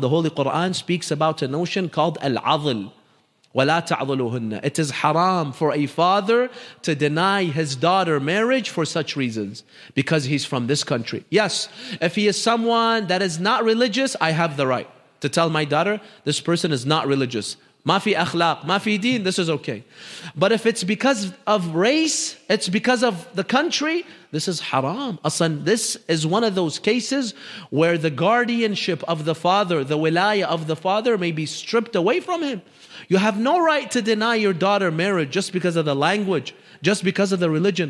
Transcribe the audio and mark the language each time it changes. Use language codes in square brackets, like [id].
[en] The Holy Quran speaks about a notion called al-adl. [ar] وَلَا تَعْضُلُهُنَّ. [en] It is haram for a father to deny his daughter marriage for such reasons, because he's from this country. Yes, if he is someone that is not religious, I have the right to tell my daughter, this person is not religious. [ar] مَا فِي أَخْلَاق, مَا فِي دِين, [en] this is okay. But if it's because of race, it's because of the country, this is haram. Asan, this is one of those cases where the guardianship of the father, the wilaya of the father may be stripped away from him. You have no right to deny your daughter marriage just because of the language, just because of the religion.